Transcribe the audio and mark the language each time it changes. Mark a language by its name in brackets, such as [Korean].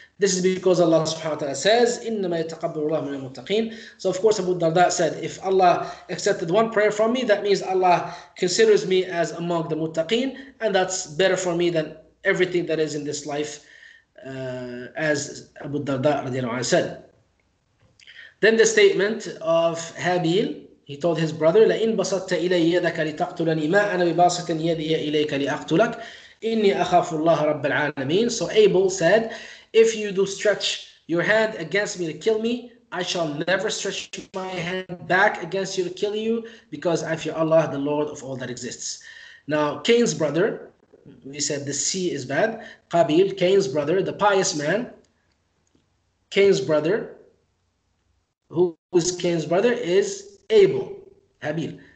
[English] This is because Allah subhanahu wa ta'ala says, [Arabic] إِنَّمَا يَتَقَبَّرُ اللَّهُ مِنَ الْمُتَّقِينَ. [English] So of course Abu Darda said, if Allah accepted one prayer from me, that means Allah considers me as among the muttaqeen, and that's better for me than everything that is in this life. As Abu Darda radiallahu anhu said. Then the statement of Habil, he told his brother, [Arabic] لَإِنْ بَسَطْتَ إِلَيَّ يَدَكَ لِتَقْتُلَنِي مَا أَنَا بِبَاسِطٍ يَدِيَ إِلَيْكَ لِأَقْتُلَكَ إِنِّي أَخَافُ اللَّهَ رَبَّ الْعَالَمِينَ. [English] So Abel said, if you do stretch your hand against me to kill me, I shall never stretch my hand back against you to kill you, because I fear Allah, the Lord of all that exists. Now Cain's brother, we said the C is bad, Qabil, Cain's brother, the pious man, Cain's brother, who is Cain's brother, is Abel, Habil.